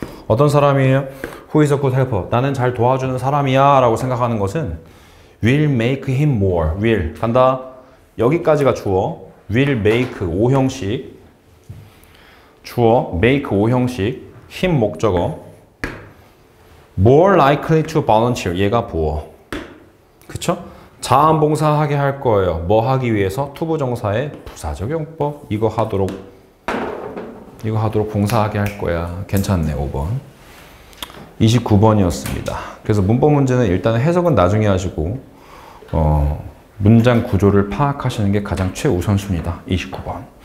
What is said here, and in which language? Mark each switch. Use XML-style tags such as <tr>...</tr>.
<ko>어떤 사람이에요?</ko> <en>Who is a good helper?</en> <ko>나는 잘 도와주는 사람이야 라고 생각하는 것은</ko> <en>will make him more. will</en> <ko>간다. 여기까지가 주어. will make 5형식. 주어 make 5형식. him 목적어.</ko> <en>more likely to volunteer.</en> <ko>얘가 부어. 그쵸? 자원봉사하게 할 거예요. 뭐 하기 위해서? 투부정사의 부사적용법. 이거 하도록 봉사하게 할 거야. 괜찮네, 5번. 29번이었습니다. 그래서 문법 문제는 일단 해석은 나중에 하시고, 문장 구조를 파악하시는 게 가장 최우선순위다. 29번.</ko>